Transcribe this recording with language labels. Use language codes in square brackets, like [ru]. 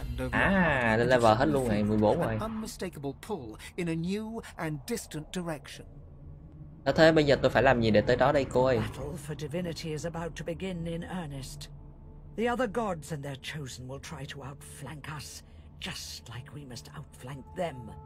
[vi] À, lên level hết luôn rồi, 14 rồi. [en] Unmistakable pull in a new and distant direction. [vi] Thế bây giờ tôi phải làm gì để tới đó đây cô ơi? [en] Battle for divinity is about to begin in earnest. The other gods and their chosen will try to outflank us, just like we must outflank them.